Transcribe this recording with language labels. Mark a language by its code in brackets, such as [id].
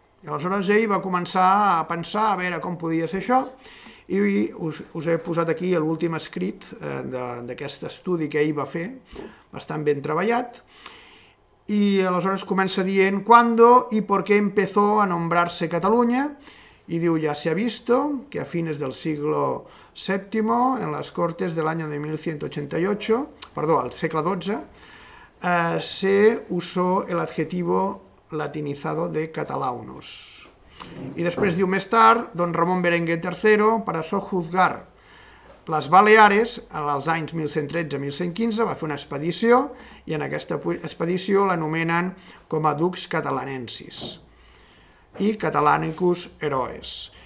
[ca] I aleshores ell va començar a pensar a veure com podia ser això, i us he posat aquí l'últim escrit d'aquest estudi que ell va fer, bastant ben treballat, i aleshores comença dient [es] «Cuándo y por qué empezó a nombrarse Cataluña?» [ca] i diu [es] «Ya se ha visto que a fines del siglo VII, en las Cortes del año de 1188, [ca] perdó, al segle XII, [es] se usó el adjetivo latinizado de catalaunos». [ca] I després diu més tard, don Ramon Berenguer III, per a sojuzgar les Baleares, als anys 1113-1115, va fer una expedició i en aquesta expedició l'anomenen com a Dux Catalanensis i Catalanicus Heroes.